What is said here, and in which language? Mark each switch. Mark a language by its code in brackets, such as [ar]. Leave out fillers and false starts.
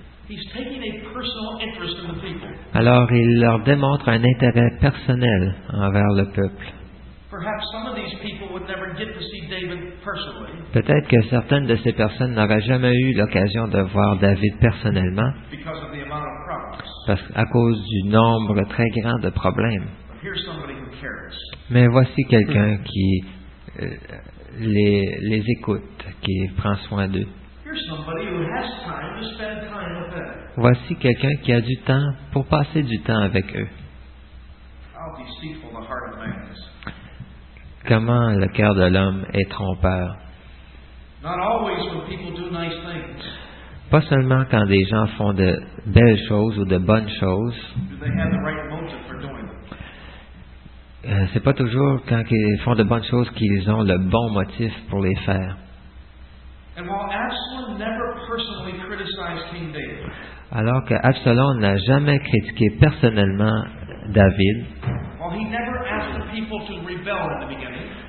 [en] He's taking a personal interest in the people. [fr] Alors, il leur démontre un intérêt personnel envers le peuple. [en] Perhaps some of these people would never get to see David personally. [fr] Peut-être que certaines de ces personnes n'auraient jamais eu l'occasion de voir David personnellement [en] because of the amount of problems. [fr] Parce à cause du nombre très grand de problèmes. [en] But here's somebody who cares. [fr] Mais voici quelqu'un qui les écoute, qui prend soin d'eux. [en] Here's somebody who has time to spend time with them. [fr] Voici quelqu'un qui a du temps pour passer du temps avec eux. [en] How deceitful the heart of man is. [fr] Comment le cœur de l'homme est trompeur. [en] Not always when people do nice things. [fr] Pas seulement quand des gens font de belles choses ou de bonnes choses. [en] Do they have the right motive for doing them? [fr] C'est pas toujours quand ils font de bonnes choses qu'ils ont le bon motif pour les faire. [en] And while Absalom never personally criticized King David, [fr] alors que Absalom n'a jamais critiqué personnellement David, [en] while he never asked the people to rebel in the beginning,